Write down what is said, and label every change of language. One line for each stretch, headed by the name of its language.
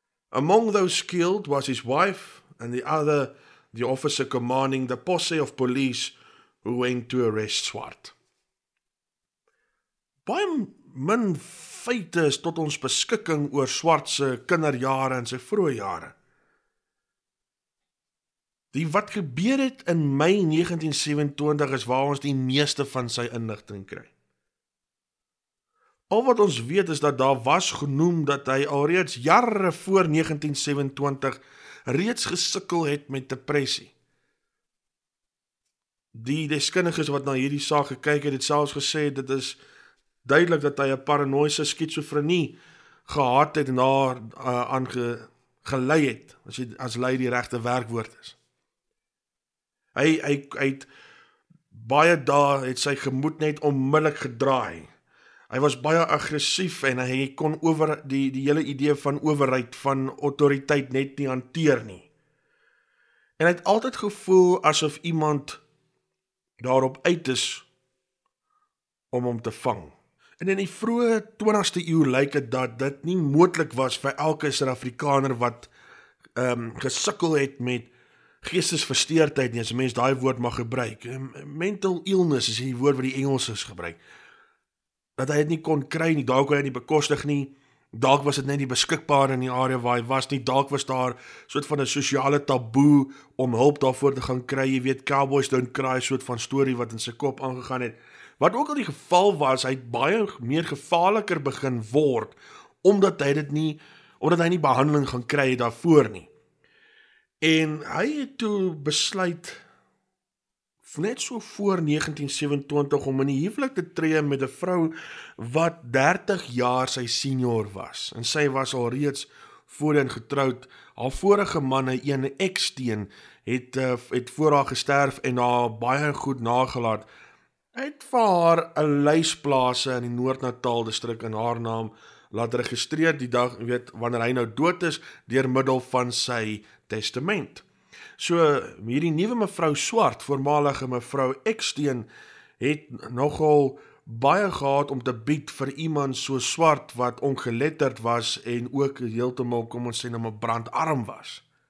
English: Among those killed was his wife and the other, the officer commanding the posse of police who went to arrest Swart.
Afrikaans: Baie min feite is tot ons beskikking oor Swart se kinderjare en sy vroeë jare. Die wat gebeur het in Mei 1927 is waar ons die meeste van sy inligting kry. Al wat ons weet is dat daar was genoem dat hy alreeds jare voor 1927 reeds gesukkel het met depressie. Die deskundiges wat na hierdie saak gekyk het, het selfs gesê dit is duidelik dat hy 'n paranoïese skizofrenie gehad het en daar aan gelei het, as lei die regte werkwoord is. Hy het baie dae het sy gemoed net onmiddellik gedraai. Hy was baie aggressief en hy kon oor die hele idee van owerheid, van autoriteit net nie hanteer nie. En hy het altyd gevoel asof iemand daarop uit is om hom te vang. En in die vroeë 20ste eeu lyk het dat dit nie moontlik was vir elke Suid-Afrikaner wat gesukkel het met geestesversteurdheid nie, as 'n mens daai woord mag gebruik. Mental illness is die woord wat die Engelsers gebruik. Dat hy het nie kon kry nie, dalk hy het nie bekostig nie, dalk was dit net nie beskikbaar in die area waar hy was nie, dalk was daar soort van 'n sosiale taboe om hulp daarvoor te gaan kry, jy weet,
English: cowboys don't cry,
Afrikaans: soort van story wat in sy kop aangegaan het. Wat ook al die geval was, hy het baie meer gevaarliker begin word, omdat hy nie behandeling gaan kry daarvoor nie. En hy het toe besluit net so voor 1927 om in die huwelik te tree met 'n vrou wat 30 jaar sy senior was. En sy was al reeds voorheen getroud. Haar vorige man, een eksteen, het voor haar gesterf en haar baie goed nagelaat. Het vir haar 'n lys plase in die Noord-Natal distrik in haar naam laat registreer die dag, weet, wanneer hy nou dood is, deur middel van sy testament. So, hierdie nuwe mevrou Swart, voormalige mevrou Eksteen, het nogal baie gehad om te bied vir iemand so swart wat ongeletterd was en ook heeltemal, kom ons sê, maar brandarm was.